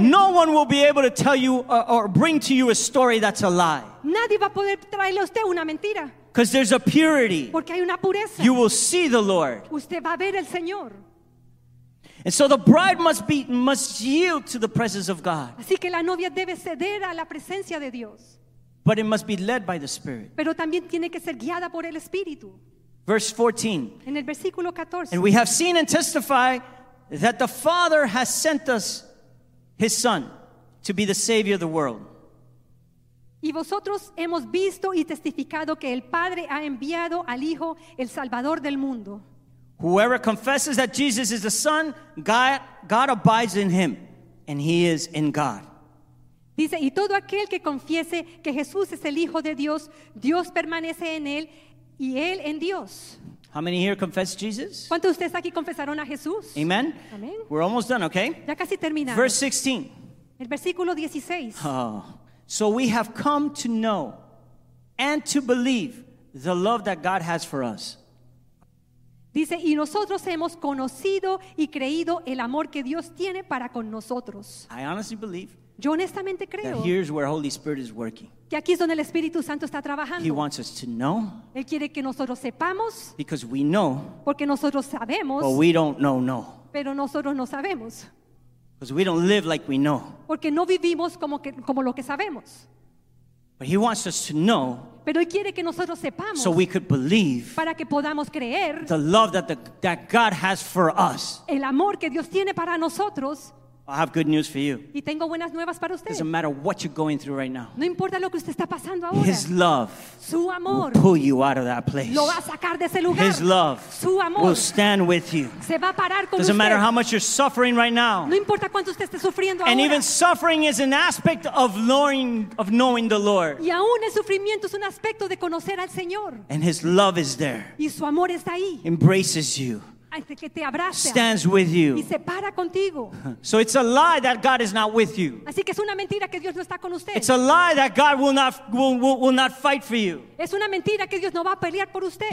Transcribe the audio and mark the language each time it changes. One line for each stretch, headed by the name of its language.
English: No one will be able to tell you or bring to you a story that's a lie.
Spanish: Nadie va a poder traerle a usted una mentira.
English: Because there's a purity.
Spanish: Porque hay una pureza.
English: You will see the Lord.
Spanish: Usted va a ver el Señor.
English: And so the bride must yield to the presence of God.
Spanish: Así que la novia debe ceder a la presencia de Dios.
English: But it must be led by the Spirit.
Spanish: Pero también tiene que ser guiada por el Espíritu.
English: Verse 14.
Spanish: En el versículo 14.
English: And we have seen and testify that the Father has sent us his Son to be the Savior of the world.
Spanish: Y vosotros hemos visto y testificado que el Padre ha enviado al Hijo, el Salvador del mundo.
English: Whoever confesses that Jesus is the Son, God abides in him, and he is in God.
Spanish: Dice, y todo aquel que confiese que Jesús es el Hijo de Dios, Dios permanece en él, y él en Dios.
English: How many here confess Jesus?
Spanish: ¿Cuántos de ustedes aquí confesaron a Jesús?
English: Amen.
Spanish: Amen.
English: We're almost done, okay?
Spanish: Ya casi terminamos.
English: Verse 16.
Spanish: El versículo 16. Oh.
English: So we have come to know and to believe the love that God has for us.
Spanish: Dice, y nosotros hemos conocido y creído el amor que Dios tiene para con nosotros.
English: I honestly believe.
Spanish: Yo honestamente creo.
English: That here's where Holy Spirit is working.
Spanish: Que aquí es donde el Espíritu Santo está trabajando.
English: He wants us to know.
Spanish: Él quiere que nosotros sepamos.
English: Because we know.
Spanish: Porque nosotros sabemos.
English: But we don't know no.
Spanish: Pero nosotros no sabemos.
English: Because we don't live like we know.
Spanish: Porque no vivimos como que, como lo que sabemos.
English: But he wants us to know.
Spanish: Pero él quiere que nosotros sepamos.
English: So we could believe.
Spanish: Para que podamos creer.
English: The love that God has for us.
Spanish: El amor que Dios tiene para nosotros.
English: I have good news for you.
Spanish: Y tengo buenas nuevas para usted.
English: Doesn't matter what you're going through right now.
Spanish: No importa lo que usted está pasando ahora.
English: His love.
Spanish: Su amor.
English: Will pull you out of that place.
Spanish: Lo va a sacar de ese lugar.
English: His love.
Spanish: Su amor.
English: Will stand with you.
Spanish: Se va a parar con usted.
English: Doesn't matter how much you're suffering right now.
Spanish: No importa cuánto usted esté sufriendo
English: and
Spanish: ahora.
English: Even suffering is an aspect of knowing the Lord.
Spanish: Y aún el sufrimiento es un aspecto de conocer al Señor.
English: And his love is there.
Spanish: Y su amor está ahí.
English: Embraces you. stands with you. So it's a lie that God is not with you.
Spanish: Así que es una mentira que Dios no está con usted.
English: It's a lie that God will not fight for you.
Spanish: Es una mentira que Dios no va a pelear por usted.